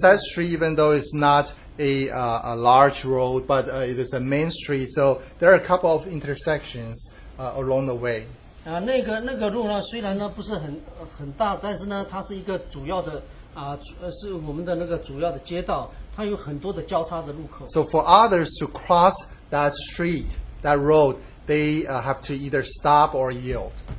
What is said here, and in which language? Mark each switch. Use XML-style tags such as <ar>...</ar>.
<en>that street, even though it's not a large road, but it is a main street, so there are a couple of intersections along the way.</en> <zh>那个路呢虽然呢不是很大，但是呢它是一个主要的。是我们的那个主要的街道，它有很多的交叉的路口。</zh> <en>So for others to cross that street, that road, they have to either stop or yield.</en>